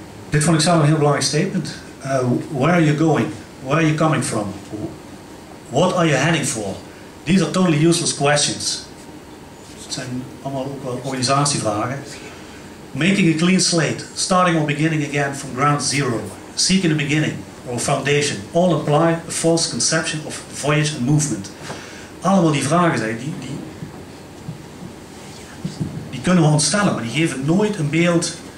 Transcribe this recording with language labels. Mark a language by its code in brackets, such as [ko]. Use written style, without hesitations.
[nl] Dit vond ik zelf een heel belangrijk statement. [en] Where are you going? Where are you coming from? What are you heading for? These are totally useless questions. [nl] Het zijn allemaal ook wel organisatievragen. [en] Making a clean slate, starting or beginning again from ground zero, seeking a beginning or a foundation, all apply a false conception of voyage and movement. [nl] Allemaal die vragen zijn, die kunnen we ons stellen, maar die geven nooit een beeld.